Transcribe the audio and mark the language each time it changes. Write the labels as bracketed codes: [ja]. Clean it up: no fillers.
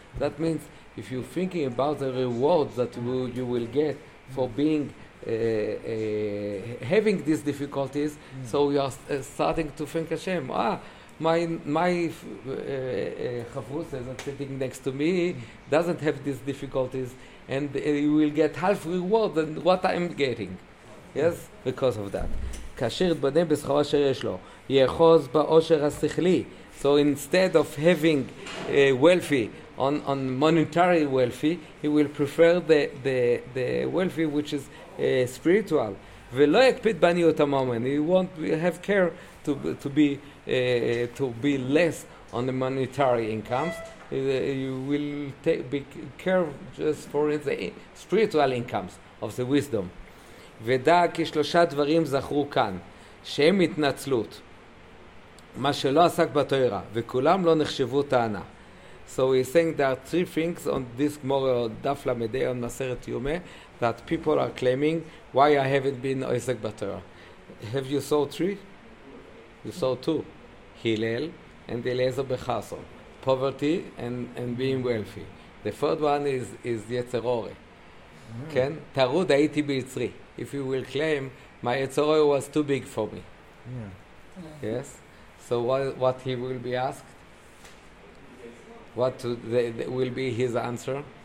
[en] That means if you're thinking about the rewards that you will get for being having these difficulties, so you are starting to think Hashem. My chavrus that's sitting next to me doesn't have these difficulties, and you will get half reward than what I'm getting. Yes, because of that. [he] כאשר יתבונן בשכרו אשר יש לו, יאחז באושר השכלי. [en] So instead of having wealthy on monetary wealthy, he will prefer the wealthy which is spiritual. [he] ולא יקפיד בעניות הממון. [en] He won't have care to be less on the monetary incomes. You will be care just for the spiritual incomes of the wisdom. [he] ודע כי שלושה דברים זכרו כאן, שהם התנצלות, מה שלא עסק בתוירה, וכולם לא נחשבו טענה. [en] So he's saying there are three things on this Gemara, דף למדי, on מסרת יומה, that people are claiming, why I haven't been עסק בתוירה. Have you saw three? You saw two. [he] הלל, and אליעזר בחרסון. [en] Poverty and being wealthy. The third one is יצר אורי. כן? [he] תרוד הייתי ביצרי. [en] If you will claim my etzoroy was too big for me, yeah. Yes. So what he will be asked? What will be his answer?